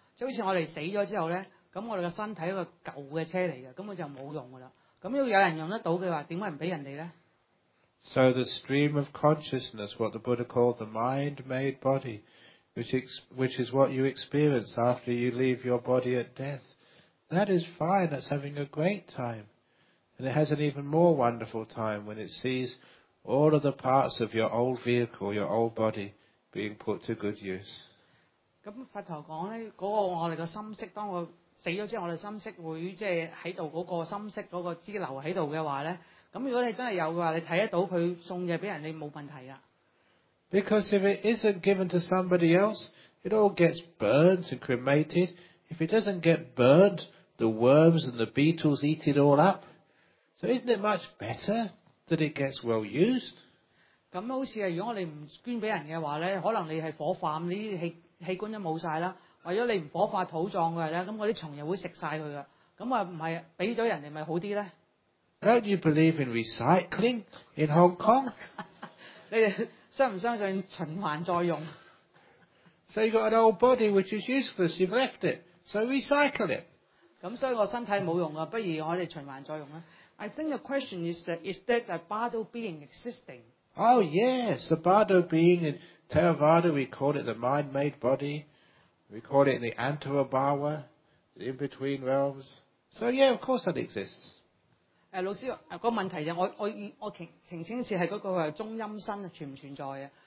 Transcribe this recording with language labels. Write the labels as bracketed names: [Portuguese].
[Cantonese] 即係好似我哋死咗之後咧，咁我哋嘅身體一個舊嘅車嚟嘅，咁佢就冇用噶啦。咁如果有人用得到嘅話，點解唔俾人哋咧 [English] ？So the stream of consciousness, what the Buddha called the mind-made body. Which is what you experience after you leave your body at death. That is fine, that's having a great time. And it has an even more wonderful time when it sees all of the parts of your old vehicle, your old body, being put to good use. [Cantonese] 咁佛陀講咧，嗰個我哋個心識，當我死咗之後，我哋心識會即係喺度嗰個心識嗰個支流喺度嘅話咧，咁如果你真係有嘅話，你睇得到佢送嘢俾人，你冇問題啊。 [English] Because if it isn't given to somebody else, it all gets burnt and cremated. If it doesn't get burnt, the worms and the beetles eat it all up. So isn't it much better that it gets well used? [Cantonese] 咁好似係如果我哋唔捐俾人嘅話咧，可能你係火化咁，啲器官都冇曬啦。為咗你唔火化土葬嘅咧，咁嗰啲蟲又會食曬佢噶。咁啊，唔係俾咗人哋咪好啲咧 [English] ？Don't you believe in recycling in Hong Kong? [Cantonese] 你哋。相唔相信循環再用 [English] ？So you got an old body which is useless. You've left it. So recycle it. [Cantonese] 咁所以個身體冇用啊，不如我哋循環再用啦。 [English] I think the question is that a bodo being existing? Oh yes, a bodo being in Theravada we call it the mind-made body. We call it the Antarabhava, the in-between realms. So yeah, of course that exists. [Cantonese] 老師，個問題就我澄清是嗰個中陰身存唔存在啊？